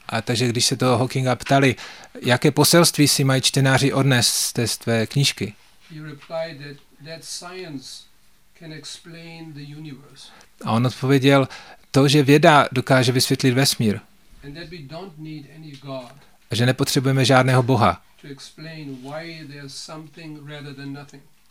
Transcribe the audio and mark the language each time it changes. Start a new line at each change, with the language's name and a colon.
Czech: A takže když se toho Hawkinga ptali, jaké poselství si mají čtenáři odnes z té tvé knížky?
English: He replied that science can explain the universe.
Czech: A on odpověděl, to, že věda dokáže vysvětlit vesmír.
English: And that we don't need any god.
Czech: A že nepotřebujeme žádného Boha.
English: To explain why there's something rather than nothing.